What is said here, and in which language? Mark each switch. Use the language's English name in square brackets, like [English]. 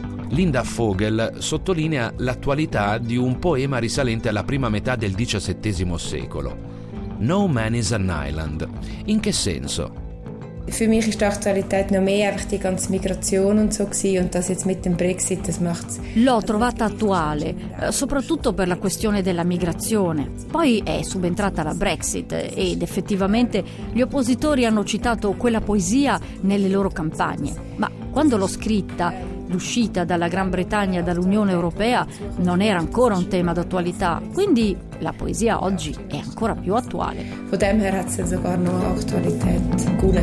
[Italian] Linda Vogel sottolinea l'attualità di un poema risalente alla prima metà del XVII secolo. [English] No man is an island. [Italian] In che senso? [German] Für mich ist die Aktualität noch mehr einfach die ganze Migration und so gsi und das jetzt mit dem Brexit, das macht's. [Italian] L'ho trovata attuale, soprattutto per la questione della migrazione. Poi è subentrata la Brexit ed effettivamente gli oppositori hanno citato quella poesia nelle loro campagne. Ma quando l'ho scritta, l'uscita dalla Gran Bretagna dall'Unione Europea non era ancora un tema d'attualità, quindi la poesia oggi è ancora più attuale. [German] Von dem her hat sie sogar noch Aktualität.